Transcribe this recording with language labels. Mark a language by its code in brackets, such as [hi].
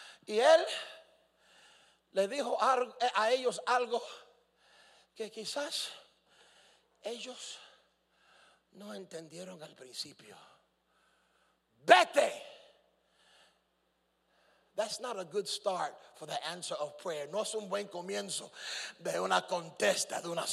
[es] Y él le dijo a ellos algo que quizás ellos no entendieron al principio. Vete. [en] That's not a good start for the answer of prayer. [es] No es un buen comienzo de una contesta.